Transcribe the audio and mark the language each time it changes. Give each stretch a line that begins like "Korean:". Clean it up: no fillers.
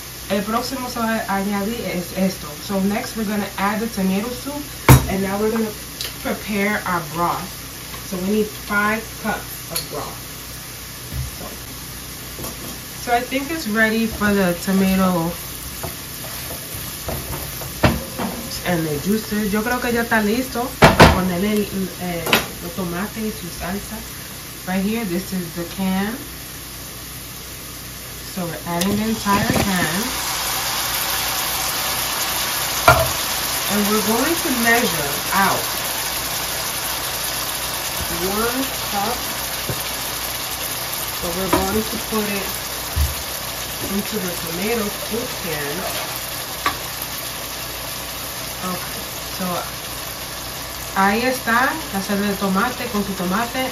Spanish: El próximo se va a añadir es esto.
English: So next we're going to add the tomato soup and now we're going to prepare our broth. So we need 5 cups of broth. So I think it's ready for the tomato and the juices.
Spanish: Yo creo que ya está listo. Ponerle los tomates y su salsa.
English: Right here, this is the can. So we're adding the entire can. And we're going to measure out 1 cup. So we're going to put it into the tomato soup can.
Spanish: Okay, so ahí está la salsa de tomate con su tomate.